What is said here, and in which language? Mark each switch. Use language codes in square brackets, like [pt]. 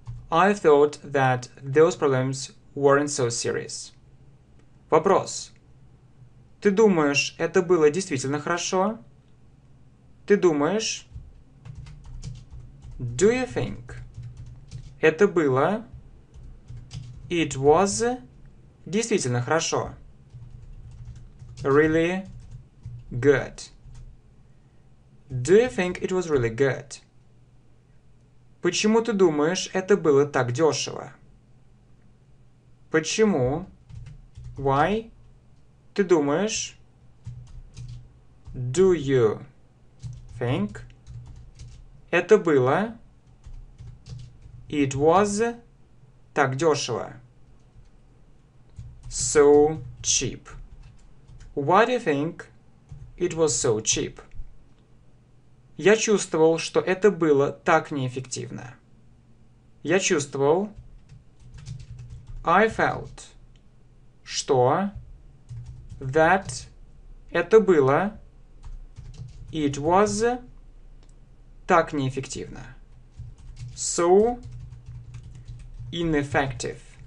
[en] I thought that those problems weren't so serious. [ru] Вопрос. Ты думаешь, это было действительно хорошо? Ты думаешь? [en] Do you think? [ru] Это было? [en] It was [ru] действительно хорошо. [en] Really good. Do you think it was really good? [ru] Почему ты думаешь, это было так дешево? Почему? [en] Why? [ru] Ты думаешь? [en] Do you think? [ru] Это было? [en] It was [ru] так дешево. [en] So cheap. Why do you think it was so cheap? [ru] Я чувствовал, что это было так неэффективно. Я чувствовал. [en] I felt. [ru] Что? [en] That. [ru] Это было. [en] It was. [ru] Так неэффективно. [en] So. Ineffective.